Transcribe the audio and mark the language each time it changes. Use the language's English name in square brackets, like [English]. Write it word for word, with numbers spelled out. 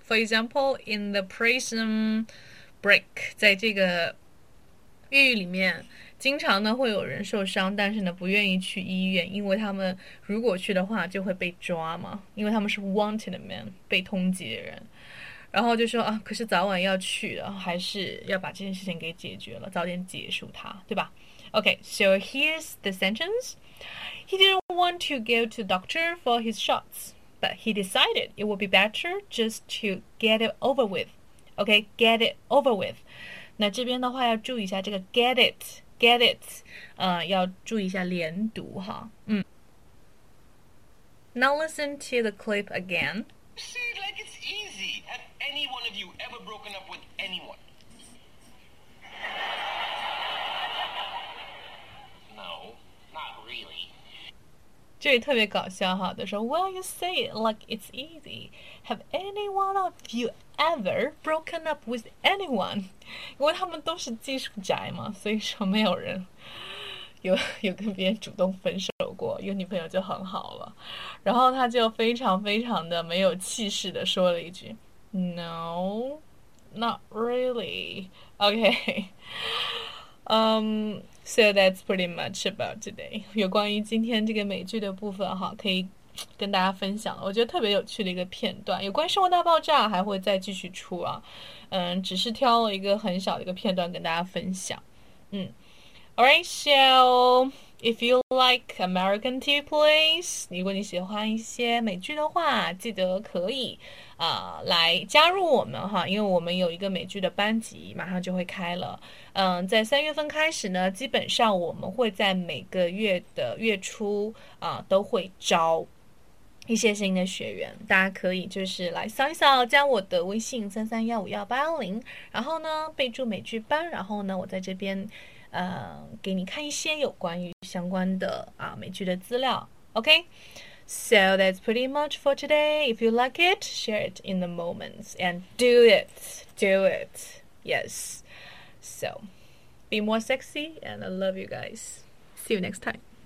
[English] For example, in the prison break， [Chinese] 在这个狱里面经常呢会有人受伤，但是呢不愿意去医院，因为他们如果去的话就会被抓嘛，因为他们是 [English] wanted man， [Chinese] 被通缉的人。然后就说啊，可是早晚要去的，还是要把这件事情给解决了，早点结束它，对吧？ [English] OK， so here's the sentence. He didn't want to go to the doctor for his shots, but he decided it would be better just to get it over with. OK， get it over with。 [Chinese] 那这边的话要注意一下这个 [English] get it get it [Chinese] 呃，要注意一下连读哈。嗯。 [English] Now listen to the clip again. You say it like it's easy. Have any one of you ever broken up with anyone? No, not really. [Chinese] 这里特别搞笑哈，他说 [English] Well, you say it like it's easy. Have any one of you ever broken up with anyone？ [Chinese] 因为他们都是技术宅嘛，所以说没有人有有跟别人主动分手过，有女朋友就很好了。然后他就非常非常的没有气势的说了一句 No [English] Not really. Okay. Um, so that's pretty much about today. [Chinese] 有关于今天这个美剧的部分哈，可以跟大家分享了，我觉得特别有趣的一个片段。有关《生活大爆炸》还会再继续出啊，嗯，只是挑了一个很小的一个片段跟大家分享。嗯 ， [English] Alright, so if you like American T V, please， [Chinese] 如果你喜欢一些美剧的话，记得可以啊、呃、来加入我们哈，因为我们有一个美剧的班级马上就会开了。嗯，在三月份开始呢，基本上我们会在每个月的月初啊、呃、都会招一些新的学员，大家可以就是来扫一扫，加我的微信三三幺五幺八幺零，然后呢备注美剧班，然后呢我在这边呃给你看一些有关于相关的啊美剧的资料。 [English] OK, so that's pretty much for today. If you like it, share it in the moments and do it, do it. Yes. So be more sexy and I love you guys. See you next time.